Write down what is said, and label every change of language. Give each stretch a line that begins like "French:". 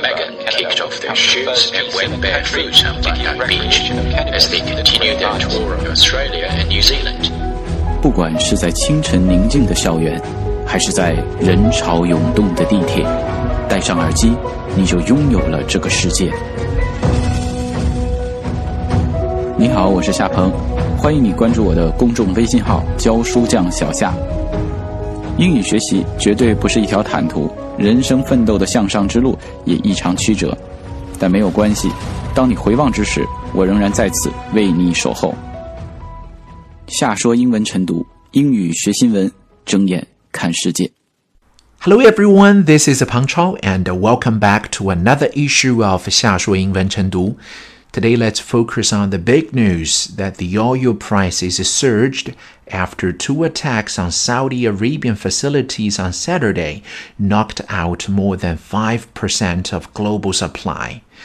English: Megan kicked off their shoots and went barefoot on Bondi Beach as they continued their tour of Australia and New Zealand.
Chinese: 不管是在清晨宁静的校园，还是在人潮涌动的地铁，戴上耳机，你就拥有了这个世界。你好，我是夏鹏，欢迎你关注我的公众微信号教书匠小夏。英语学习绝对不是一条坦途，人生奋斗的向上之路也异常曲折，但没有关系，当你回望之时，我仍然在此为你守候。夏说英文晨读，英语学新闻，睁眼看世界。
English: Hello everyone, this is Peng Chao and welcome back to another issue of 夏说英文晨读。 Today, let's focus on the big news that the oil prices surged after two attacks on Saudi Arabian facilities on Saturday knocked out more than 5% of global supply.